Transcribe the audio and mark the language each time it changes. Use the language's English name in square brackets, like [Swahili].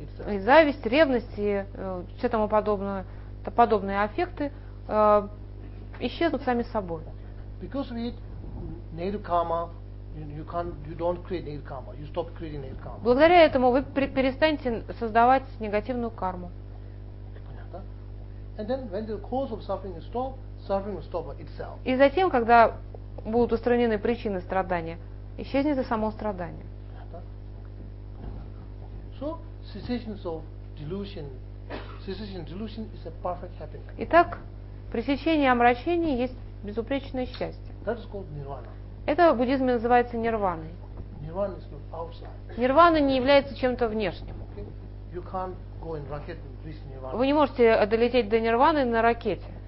[Russian] И зависть, ревность, и все тому подобные аффекты исчезнут сами собой. [English] Because we negative karma, you don't create negative karma, you stop creating negative karma. [Russian] Благодаря этому вы перестанете создавать негативную карму. [English] And then when the cause of suffering is stopped, suffering will stop itself. [Russian] И затем, когда будут устранены причины страдания, исчезнет и само страдание. [English] So, cessations of delusion. Cessation of delusion is a perfect happiness. [Russian] Итак, пресечение омрачений есть безупречное счастье. [English] That is called nirvana. [Russian] Это в буддизме называется нирваной. [English] Nirvana is not outside. [Russian] Нирвана не является чем-то внешним. [English] Okay. You can't go in rocket and reach nirvana. [Russian] Вы не можете долететь до нирваны на ракете.